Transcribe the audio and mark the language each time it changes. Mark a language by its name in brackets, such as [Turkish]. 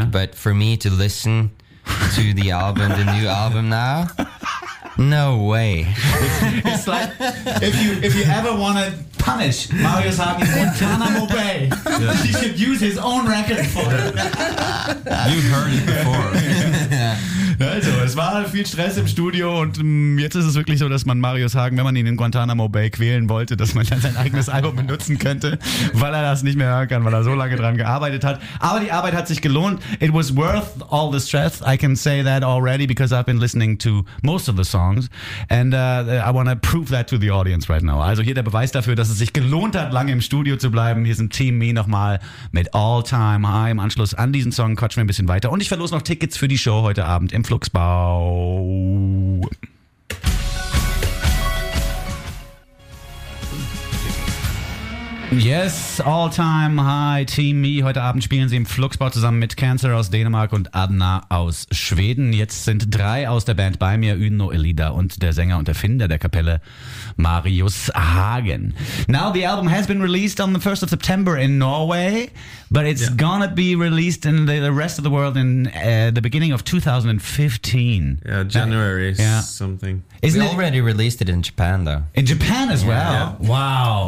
[English] Like, but for me to listen to the album, the new album now, no way. It's like if you ever want to punish Mario Sagi in Guantanamo Bay, he should use his own record for it. You heard it before. [German] Also, es war viel Stress im Studio und jetzt ist es wirklich so, dass man Marius Hagen, wenn man ihn in Guantanamo Bay quälen wollte, dass man dann sein eigenes Album benutzen könnte, weil er das nicht mehr hören kann, weil er so lange dran gearbeitet hat. Aber die Arbeit hat sich gelohnt. [English] It was worth all the stress. I can say that already because I've been listening to most of the songs and I want to prove that to the audience right now. [German] Also hier der Beweis dafür, dass es sich gelohnt hat, lange im Studio zu bleiben. Hier ist ein Team Me nochmal mit All Time High. Im Anschluss an diesen Song quatschen wir ein bisschen weiter und ich verlose noch Tickets für die Show heute Abend im Fluxbau. Yes, All Time High, Team Me. Heute Abend spielen sie im Fluxbau zusammen mit Cancer aus Dänemark und Adna aus Schweden. Jetzt sind drei aus der Band bei mir, Uno Elida und der Sänger und Erfinder der Kapelle, Marius Hagen. [English] Now, the album has been released on the 1st of September in Norway, but it's gonna be released in the rest of the world in the beginning of 2015. Yeah, January something. Isn't we already released it in Japan, though. In Japan as well? Yeah. Wow.